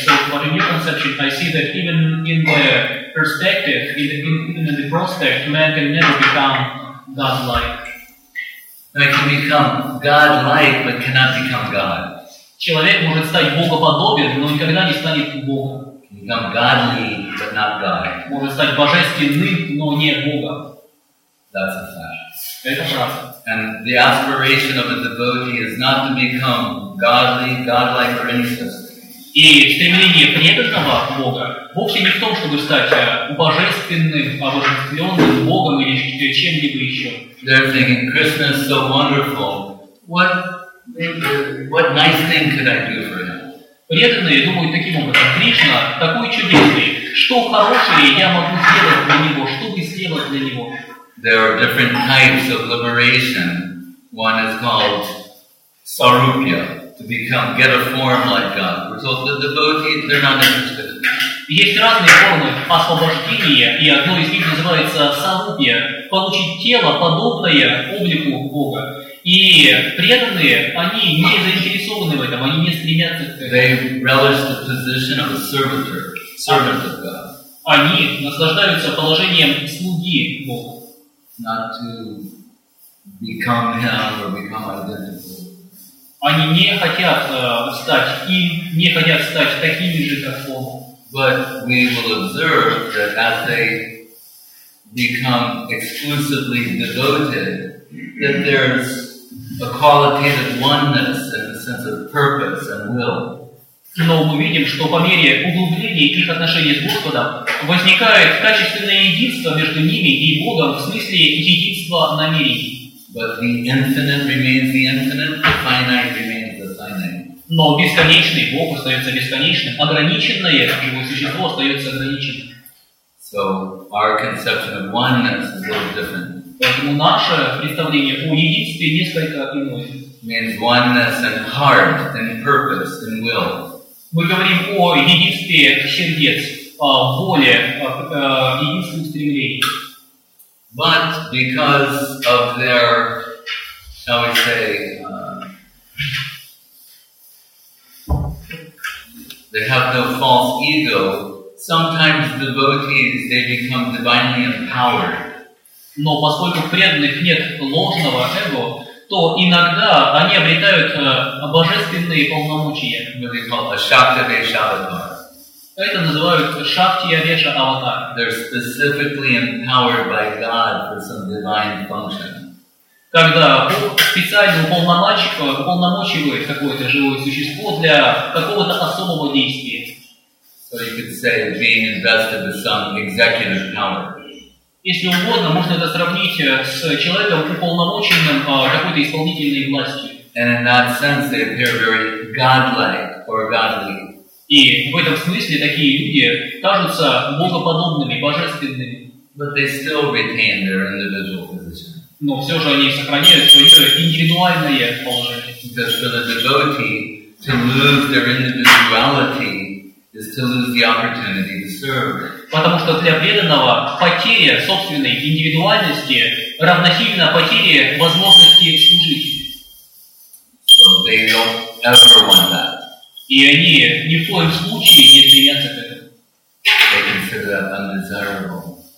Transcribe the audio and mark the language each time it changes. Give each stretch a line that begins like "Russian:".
English: So, for a new conception, I see that even in the perspective, even in the prospect, man can never become God-like. Man can become God-like, but cannot become God.
Russian: Человек может стать богоподобен, но никогда не станет Богом.
English: Can become godly, but not God.
Russian: Может стать божественным, но не Бога.
English: That's a fact.
Russian: Это правда.
English: And the aspiration of a devotee is not to become godly, godlike, or any such thing.
Russian: И стремление преданного Бога вовсе не в том, чтобы стать божественным, обожествленным Богом или чем-либо еще.
English: They're thinking, Krishna is so wonderful. What nice thing could I do for him?
Russian: Преданные думают таким образом, Кришна такой чудесный. Что хорошее я могу сделать для него? Что бы сделать для него?
English: There are different types of liberation. One is called sarupya, to become, get a form like God. We're told the devotees, they're not interested in that.
Russian: Есть разные формы освобождения, и одно из них называется сарупья, получить тело, подобное облику Бога. И преданные, они не заинтересованы в этом, они не стремятся к этому.
English: They relish the position of a servitor, servant of God.
Russian: Они наслаждаются положением слуги Бога.
English: Not to become him or become identical.
Russian: Они не хотят стать им, не хотят стать такими же, как он.
English: But we will observe that as they become exclusively devoted, that there's a qualitative oneness in the sense of purpose and will.
Russian: Но мы видим, что по мере углубления их отношений с Господом возникает качественное единство между ними и Богом в смысле единства намерений.
English: But the infinite remains the infinite, the finite remains the finite.
Russian: Но бесконечный Бог остается бесконечным, ограниченное его существо остается ограниченным.
English: So our conception of oneness is a little different.
Russian: Поэтому наше представление о единстве несколько иное.
English: Means oneness in heart, in purpose, in will.
Russian: Мы говорим о единстве сердец, воле, единстве устремлений.
English: But because of their, shall we say, they have no false ego, sometimes devotees, they become divinely empowered.
Russian: Но поскольку преданных нет ложного эго, то иногда они обретают божественные полномочия.
English: What they call Ашактавеша-аватар.
Russian: Это называют Шактия-веша-аватар.
English: They're specifically empowered by God for some divine function.
Russian: Когда специально уполномочивает какое-то живое существо для какого-то особого действия.
English: So you could say being invested with some executive power.
Russian: Если угодно, можно это сравнить с человеком, уполномоченным какой-то исполнительной властью.
English: And in that sense, they appear very godlike or godly.
Russian: И в этом смысле такие люди кажутся богоподобными, божественными.
English: But they still retain their individual position.
Russian: Но все же они сохраняют свое индивидуальное положение.
English: Because for the devotee, to lose their individuality is to lose the opportunity to serve.
Russian: Потому что для преданного потеря собственной индивидуальности равносильно потере возможности служить.
English: So they don't ever want that.
Russian: И они ни в коем случае не стремятся к этому.
English: They consider that undesirable.